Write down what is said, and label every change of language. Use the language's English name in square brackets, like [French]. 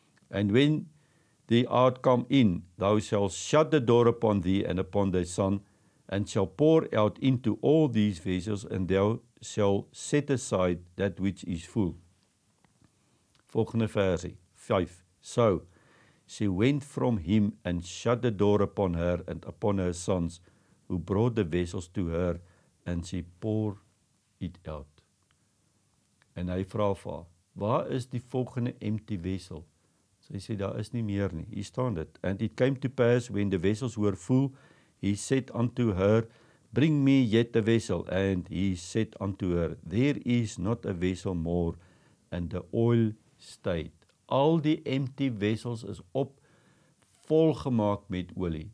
[English] And when thee art come in, thou shalt shut the door upon thee and upon thy son, and shall pour out into all these vessels, and thou shalt set aside that which is full. [Afrikaans] Volgende versie, 5. [English] So, she went from him and shut the door upon her and upon her sons, who brought the vessels to her, and she poured it out. [Afrikaans] En hy vra vir haar, waar is die volgende [English] empty vessel? [Afrikaans] Sy sê, daar is nie meer nie. Hier staan dit. [English] And it came to pass, when the vessels were full, he said unto her, bring me yet a vessel. And he said unto her, there is not a vessel more, and the oil state. [Afrikaans] Al die [English] empty vessels [Afrikaans] is op volgemaak met olie.